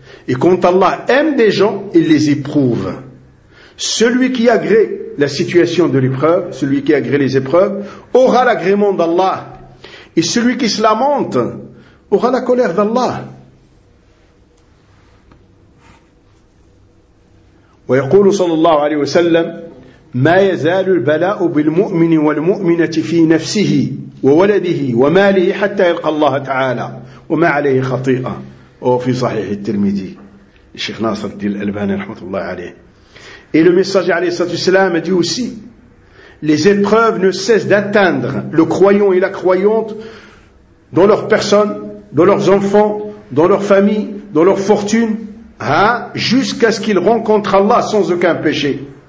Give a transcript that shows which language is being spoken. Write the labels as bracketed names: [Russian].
[French] Et quand Allah aime des gens, il les éprouve. Celui qui agrée la situation de l'épreuve, celui qui agrée les épreuves, aura l'agrément d'Allah. Et celui qui se lamente aura la colère d'Allah. [Arabic] ويقول صلى الله عليه وسلم: ما يزال البلاء بالمؤمن والمؤمنة في نفسه وولده وماله حتى يلقى الله تعالى وما عليه خطيئة. أو في صحيح الترمذي. الشيخ ناصر الدين الألباني رحمه الله عليه. [French] Et le messager [Arabic] عليه الصلاة والسلام [French] a dit aussi: les épreuves ne cessent d'atteindre le croyant et la croyante dans leur personne, dans leurs enfants, dans leur famille, dans leur fortune, hein, jusqu'à ce qu'ils rencontrent Allah sans aucun péché.